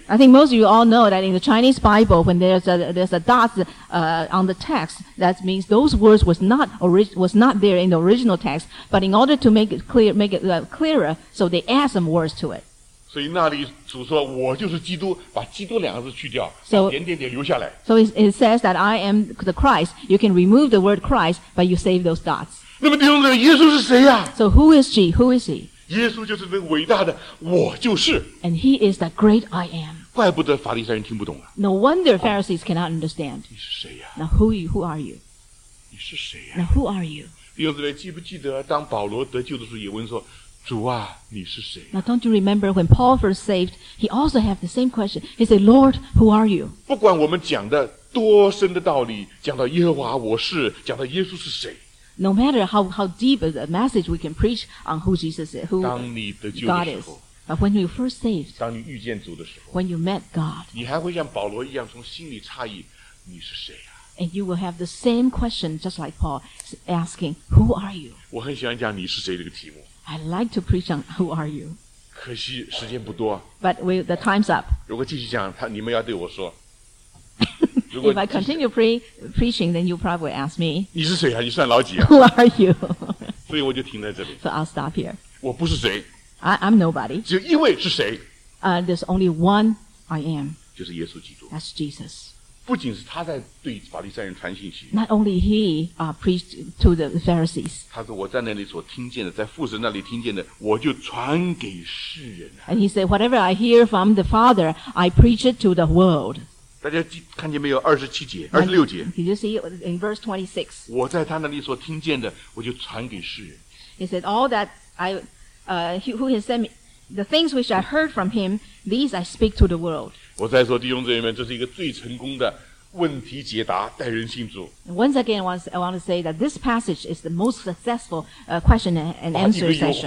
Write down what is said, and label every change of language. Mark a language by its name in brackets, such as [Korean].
[English] I think most of you all know that in the Chinese Bible when there's a dot on the text that means those words was not there in the original text but in order to make it clearer so they add some words to it [Chinese] 所以那里主说我就是基督把基督两个字去掉 so, 点点点留下来 [English] So it says that I am the Christ you can remove the word Christ but you save those dots [Chinese] 那么弟兄们，耶稣是谁呀？ [English] So who is he? Who is he? [Chinese] 耶稣就是那伟大的我就是。 [English] And he is the great I am. [Chinese] 怪不得法利赛人听不懂啊。 [English] No wonder Pharisees cannot understand. [Chinese] 你是谁呀？ [English] Now who are you? [Chinese] 你是谁呀？ [English] Now who are you? [Chinese] 弟兄们，记不记得当保罗得救的时候也问说，主啊，你是谁呀？ [English] Now don't you remember when Paul first saved, he also had the same question. He said, Lord, who are you? [Chinese] 不管我们讲的多深的道理，讲到耶和华我是，讲到耶稣是谁。 [English] No matter how deep a message we can preach on who Jesus is, who God is, but when you first saved, [Chinese] 当你遇见主的时候， [English] when you met God, [Chinese] 你还会像保罗一样从心里诧异，你是谁啊？ [English] And you will have the same question, just like Paul, asking, who are you? [Chinese] 我很喜欢讲你是谁这个题目。 [English] I like to preach on who are you. [Chinese] 可惜时间不多。 [English] But the time's up. [Chinese] 如果继续讲，你们要对我说。 [English] If I continue preaching, then you probably ask me, [Chinese] 你是谁啊？你算老几啊？ [English] Who are you? [Chinese] 所以我就停在这里。 [English] So I'll stop here. [Chinese] 我不是谁。 [English] I'm nobody. [Chinese] 只有一位是谁。 [English] There's only one I am. [Chinese] 就是耶稣基督。 [English] That's Jesus. [Chinese] 不仅是他在对法利赛人传信息。 [English] Not only he preached to the Pharisees. [Chinese] 他说我在那里所听见的，在父神那里听见的，我就传给世人。 [English] And he said, whatever I hear from the Father, I preach it to the world. [Chinese] 大家看见没有？二十七节、二十六节。 [English] Did you see it in verse 26? [Chinese] 我在他那里所听见的，我就传给世人。 [English] He said, "All that I, who has sent me, the things which I heard from him, these I speak to the world." [Chinese] 我再说弟兄姊妹们，这是一个最成功的问题解答，带人信主。 [English] Once again, I want to say that this passage is the most successful question and answer session.